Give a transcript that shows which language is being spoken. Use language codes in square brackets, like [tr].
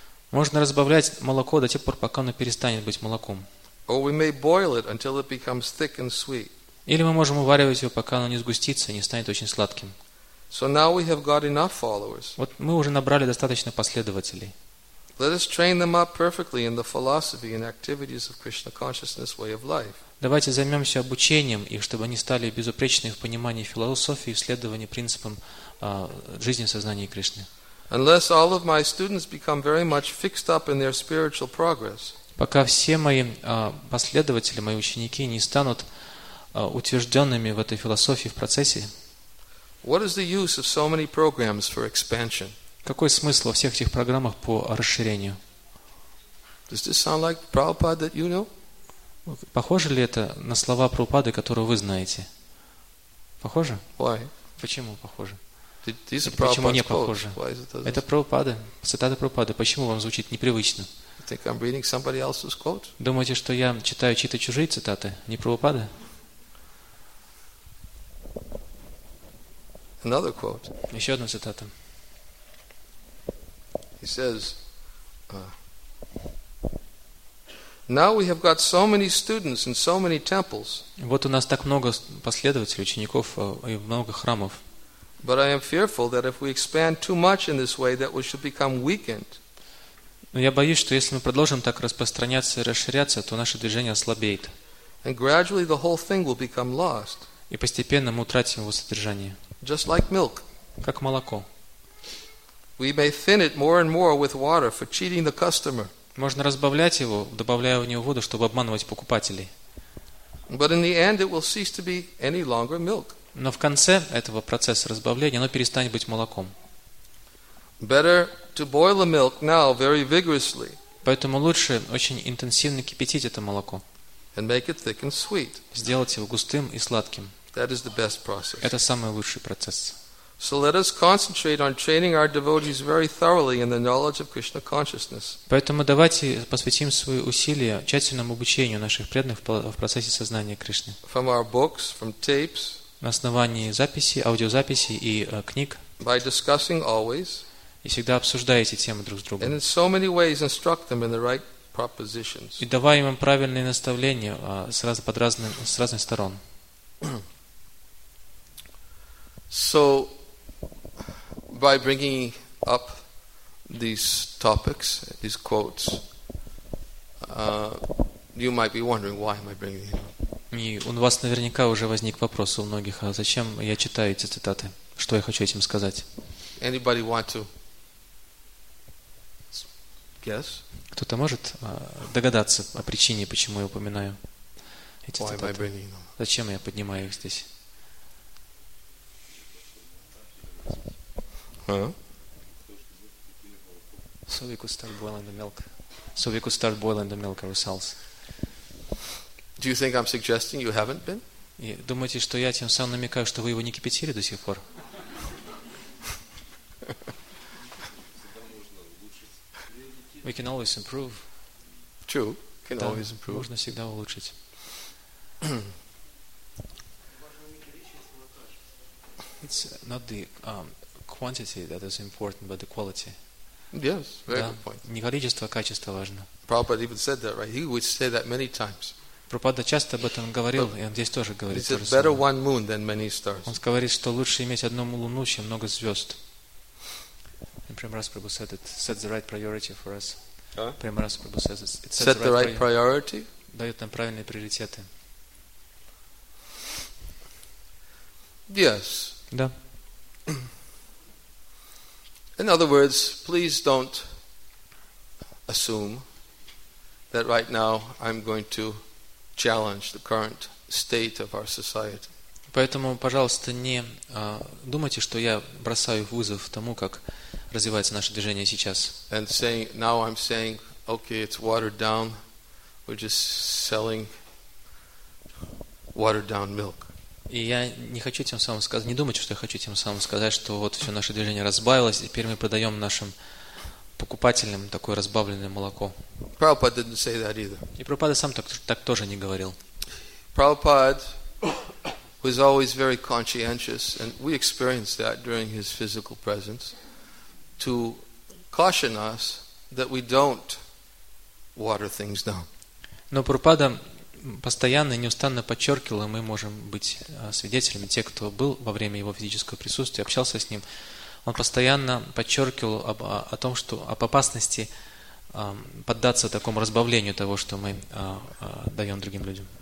[ru] Можно разбавлять молоко до тех пор, пока оно перестанет быть молоком. [en] Or we may boil it until it becomes thick and sweet. [ru] Или мы можем уваривать его, пока оно не сгустится, не станет очень сладким. [en] So now we have got enough followers. [ru] Вот мы уже набрали достаточно последователей. [en] Let us train them up perfectly in the philosophy and activities of Krishna consciousness way of life. [ru] Давайте займемся обучением их, чтобы они стали безупречны в понимании философии и следовании принципам жизни сознания Кришны. [en] Unless all of my students become very much fixed up in their spiritual progress. [ru] Пока все мои последователи, мои ученики, не станут утвержденными в этой философии в процессе. [en] What is the use of so many programs for expansion? [ru] Какой смысл во всех этих программах по расширению? [en] Does this sound like Prabhupada that you know? [ru] Похоже ли это на слова Прабхупады, которые вы знаете? Похоже? [en] Why? [ru] Почему похоже? [en] These are [ru] почему не похоже? [en] Why is it doesn't... [ru] Это Прабхупада, цитата Прабхупады. Почему вам звучит непривычно? [en] You think I'm reading somebody else's quote? [ru] Думаете, что я читаю чьи-то чужие цитаты, не Прабхупады? [en] Another quote. [ru] Еще одна цитата. [en] He says, "Now we have got so many students and so many temples." [ru] Вот у нас так много последователей, учеников и много храмов. [en] But I am fearful that if we expand too much in this way, that we should become weakened. [ru] Но я боюсь, что если мы продолжим так распространяться и расширяться, то наше движение ослабеет. [en] And gradually the whole thing will become lost. [ru] И постепенно мы утратим его содержание. [en] Just like milk. [ru] Как молоко. [en] We may thin it more and more with water for cheating the customer. [ru] Можно разбавлять его, добавляя в него воду, чтобы обманывать покупателей. [en] But in the end, it will cease to be any longer milk. [ru] Но в конце этого процесса разбавления оно перестанет быть молоком. [en] Better to boil the milk now very vigorously. [ru] Поэтому лучше очень интенсивно кипятить это молоко. [en] And make it thick and sweet. [ru] Сделать его густым и сладким. [en] That is the best process. [ru] Это самый лучший процесс. [en] So let us concentrate on training our devotees very thoroughly in the knowledge of Krishna consciousness. [ru] Поэтому давайте посвятим свои усилия тщательному обучению наших преданных в процессе сознания Кришны. [en] From our books, from tapes. [ru] На основании записей, аудиозаписей и книг. [en] By discussing always. [ru] И всегда обсуждая эти темы друг с другом. [en] And in so many ways instruct them in the right propositions. [ru] И давая им правильные наставления с разных сторон. [en] So, by bringing up these topics, these quotes, you might be wondering, why am I bringing them up? [ru] И у вас наверняка уже возник вопрос у многих, а зачем я читаю эти цитаты? Что я хочу этим сказать? [en] Anybody want to guess? [ru] Кто-то может догадаться о причине, почему я упоминаю эти [en] why [ru] цитаты? [en] Am I bringing them? [ru] Зачем я поднимаю их здесь? Huh? [en] So we could start boiling the milk. So we could start boiling the milk ourselves. Do you think I'm suggesting you haven't been? [ru] Думаете, что я тем самым намекаю, что вы его не кипятили до сих пор? [en] We can always improve. True. Can always improve. [ru] Можно всегда улучшить. [en] It's not the quantity that is important, but the quality. Yes, very good point. [ru] Не количество, а качество важно. [en] Prabhupada even said that, right? He would say that many times. [ru] Прабхупада часто об этом говорил, и он здесь тоже говорит. [en] He said, better one moon than many stars. [ru] Он говорит, что лучше иметь одну луну, чем много звезд. [en] And Premaras Prabhu said it sets the right priority for us. Premaras Prabhu says it sets set the right priority. [ru] Дает нам правильные приоритеты. [en] Yes. [ru] Да. [en] In other words, please don't assume that right now I'm going to challenge the current state of our society. [ru] Поэтому, пожалуйста, не думайте, что я бросаю вызов тому, как развивается наше движение сейчас. [en] And saying now I'm saying, okay, it's watered down. We're just selling watered down milk. [ru] И я не хочу тем самым сказать, не думайте, что я хочу тем самым сказать, что вот все наше движение разбавилось, и теперь мы продаем нашим покупателям такое разбавленное молоко. [en] Prabhupada didn't say that either. [ru] И Прабхупада сам так тоже не говорил. [en] Prabhupada was always very conscientious, and we experienced that during his physical presence, to caution us that we don't water things down. [ru] Но Прабхупада постоянно и неустанно подчеркивал, и мы можем быть свидетелями, те, кто был во время его физического присутствия, общался с ним, он постоянно подчеркивал о том, что об опасности поддаться такому разбавлению того, что мы даем другим людям.